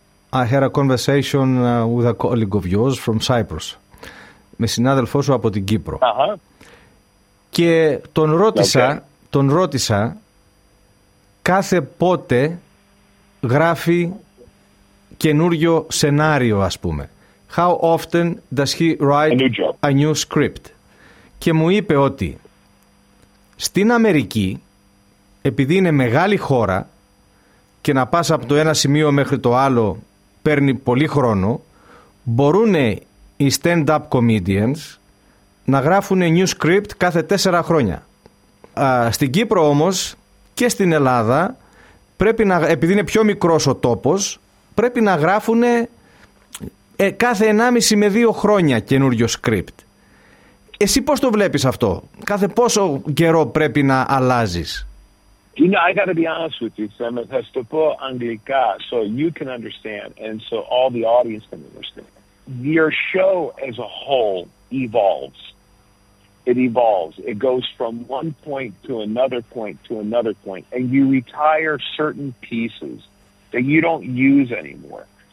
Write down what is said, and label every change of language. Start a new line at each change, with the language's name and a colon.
English: I had a conversation with a colleague of yours from Cyprus.
Greek: Με συνάδελφό σου από την Κύπρο. Και τον ρώτησα κάθε πότε γράφει καινούριο σενάριο, ας πούμε.
English: How often does he write a new script?
Greek: Και μου είπε ότι στην Αμερική, επειδή είναι μεγάλη χώρα και να πας από το ένα σημείο μέχρι το άλλο παίρνει πολύ χρόνο, μπορούν οι stand-up comedians να γράφουν new script κάθε 4 χρόνια. Στην Κύπρο όμως και στην Ελλάδα, επειδή είναι πιο μικρός ο τόπος, πρέπει να γράφουν κάθε 1,5 με 2 χρόνια καινούριο script. Εσύ πώς το βλέπεις αυτό? Κάθε πόσο καιρό πρέπει να αλλάζεις?
English: You know, I got to be honest with you, Sam. It has to put Anglica so you can understand and so all the audience can understand. Your show as a whole evolves. It evolves. It goes from one point to another point to another point, and you retire certain pieces that you don't use anymore.